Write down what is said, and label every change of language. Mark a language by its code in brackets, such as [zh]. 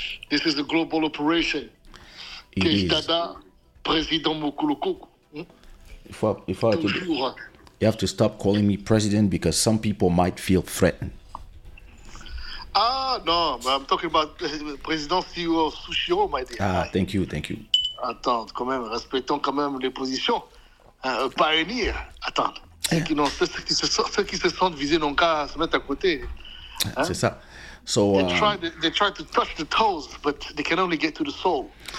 [en] This is a global operation. Dada, President Mukulukuku. You have to stop calling me president because some people might feel threatened. Ah, no, but I'm talking about President CEO of Sushiro, my dear. Ah, thank you. [fr] Attends, quand même, respectons quand même les positions. Pioneer, attends. Ceux qui se sentent visés n'ont qu'à se mettre à côté. Hein? C'est ça. [en] So, they try to touch the toes, but they can only get to the soul.